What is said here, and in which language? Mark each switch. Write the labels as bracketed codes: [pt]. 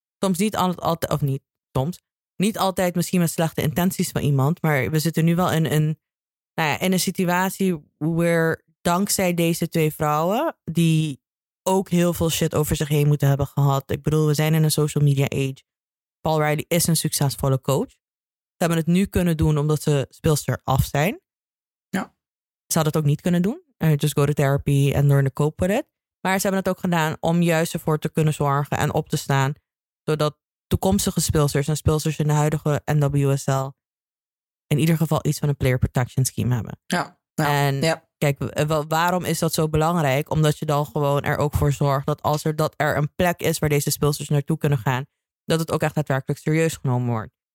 [nl] Soms niet altijd, of niet soms, niet altijd misschien met slechte intenties van iemand, maar we zitten nu wel in een situatie waar dankzij deze twee vrouwen, die ook heel veel shit over zich heen moeten hebben gehad. Ik bedoel, we zijn in een [en] social media age. [nl] Paul Riley is een succesvolle coach. Ze hebben het nu kunnen doen omdat ze speelster af zijn. Ja. Ze hadden het ook niet kunnen doen. [en] Just go to therapy and learn to cope with it. [nl] Maar ze hebben het ook gedaan om juist ervoor te kunnen zorgen en op te staan. Zodat toekomstige speelsters en speelsters in de huidige NWSL in ieder geval iets van een player protection scheme hebben. Ja. En ja. Kijk, waarom is dat zo belangrijk? Omdat je dan gewoon er ook voor zorgt dat als er een plek is waar deze speelsters naartoe kunnen gaan, dat het ook echt daadwerkelijk serieus genomen wordt.